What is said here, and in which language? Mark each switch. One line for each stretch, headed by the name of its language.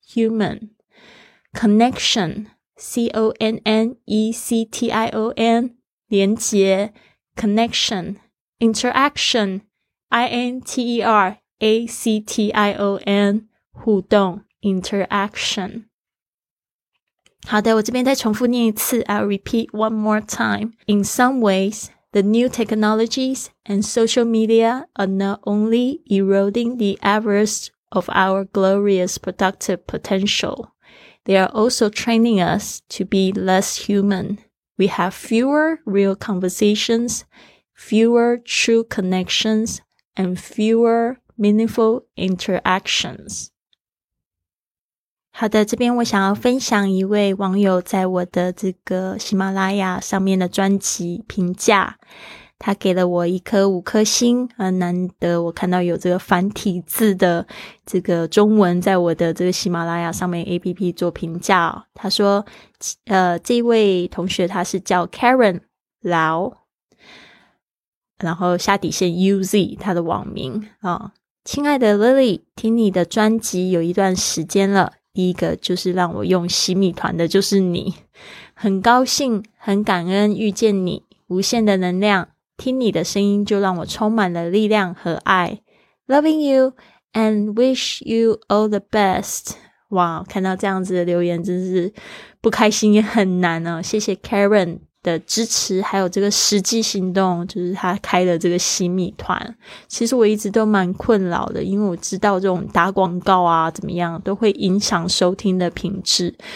English: Human connection, C-O-N-N-E-C-T-I-O-N, 连接 connection, interaction, I-N-T-E-R-A-C-T-I-O-N, 互动 interaction.
Chinese: 好的，我这边再重复念一次，
English: I'll repeat one more time. In some ways, the new technologies and social media are not only eroding the average of our glorious productive potential. They are also training us to be less human. We have fewer real conversations, fewer true connections, and fewer meaningful interactions.
Chinese: 好的，这边我想要分享一位网友在我的这个喜马拉雅上面的专辑评价。他给了我一颗五颗星，难得我看到有这个繁体字的这个中文在我的这个喜马拉雅上面 APP 做评价、哦、他说这位同学他是叫 Karen Lau，然后下底线 UZ 他的网名、哦、亲爱的 Lily， 听你的专辑有一段时间了，第一个就是让我用洗米团的就是你，很高兴很感恩遇见你，无限的能量，听你的声音就让我充满了力量和爱。
English: Loving you and wish you all the best.
Chinese: 哇，看到这样子的留言真是不开心也很难哦。谢谢 Karen 的支持还有这个实际行动，就是他开了这个洗米团。其实我一直都蛮困扰的，因为我知道这种打广告啊怎么样都会影响收听的品质。